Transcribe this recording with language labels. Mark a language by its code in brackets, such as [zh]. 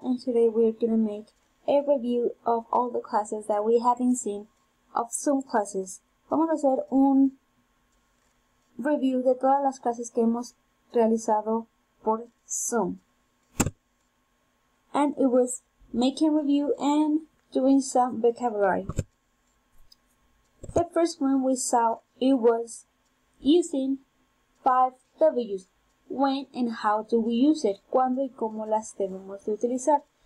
[en] And today we're gonna make a review of all the classes that we haven't seen of some classes. [es] Vamos a hacer un review de todas las clases que hemos realizado por Zoom. [en] And it was making review and doing some vocabulary. The first one we saw, it was using 5 W's. When and how do we use it? [es] ¿Cuándo y cómo las debemos de utilizar?